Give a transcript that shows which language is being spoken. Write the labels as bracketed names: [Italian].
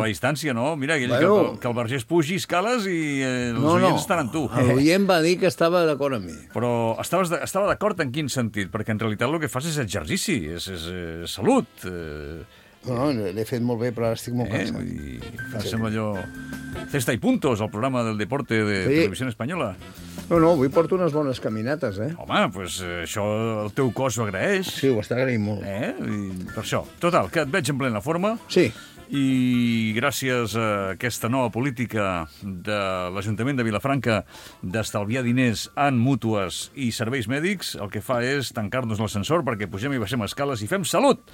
[Catalan] Des de la distància, no. Mira, aquell bueno. que el Vergés pugi escales i els oients estan amb tu. L'oient va dir que estava d'acord amb mi. Però estava d'acord en quin sentit? Perquè en realitat el que fas és exercici, és salut. No, l'he fet molt bé, però ara estic molt cansat. Sembla allò... [Spanish] Cesta y puntos, el programa del deporte de Televisión Española. [Catalan] No, avui porto unes bones caminates, eh? Home, pues això el teu cos ho agraeix. Sí, ho està agraint molt. I per això. Total, que et veig en plena forma. Sí. I gràcies a aquesta nova política de l'Ajuntament de Vilafranca d'estalviar diners en mútues i serveis mèdics, el que fa és tancar-nos l'ascensor perquè pugem i baixem escales i fem salut.